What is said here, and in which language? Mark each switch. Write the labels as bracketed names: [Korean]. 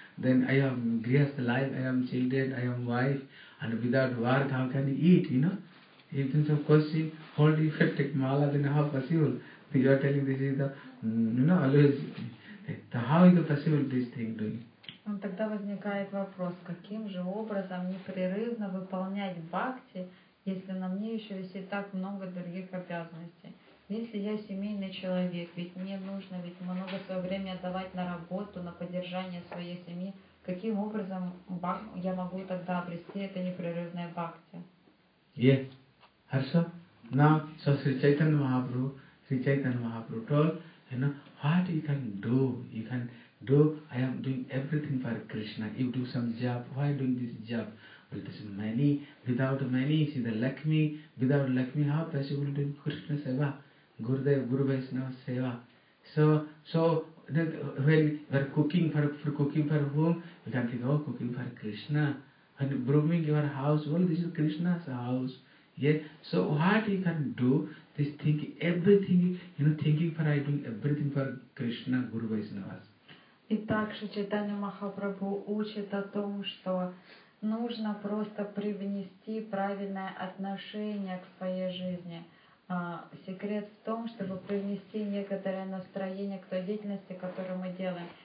[English] Then I am grihastha life, I am children, I am wife, and without work, how can you eat, you know? In terms of question, whole day you take mala, then how possible? You are telling this is the, you know, always. How is it possible this thing doing? [Russian] Тогда возникает вопрос, каким же образом непрерывно выполнять бхакти, если на мне еще висит так много других обязанностей? Если я семейный человек, ведь мне нужно ведь много своего времени отдавать на работу, на поддержание своей семьи, каким образом я могу тогда обрести это непрерывное бхакти? Yes. Хорошо. [English] Now, so Sri Chaitanya Mahaprabhu told, you know, what you can do? You can do, I am doing everything for Krishna. You do some job. Why are you doing this job? Well, this money, without money, you see the Lakshmi. Without Lakshmi, how possible doing Krishna Seva? Gurudev, Guru Vaishnava Seva. So when you are cooking for whom, you can think, cooking for Krishna. When brooming your house, this is Krishna's house. Yeah. So what you can do, this thinking, everything, you know, thinking for, I doing everything for Krishna, Guru Vaishnavas. [Russian] Итак, Шри Чайтанья Махапрабху учит о том, что нужно просто привнести правильное отношение к своей жизни. Секрет в том, чтобы привнести некоторое настроение к той деятельности, которую мы делаем.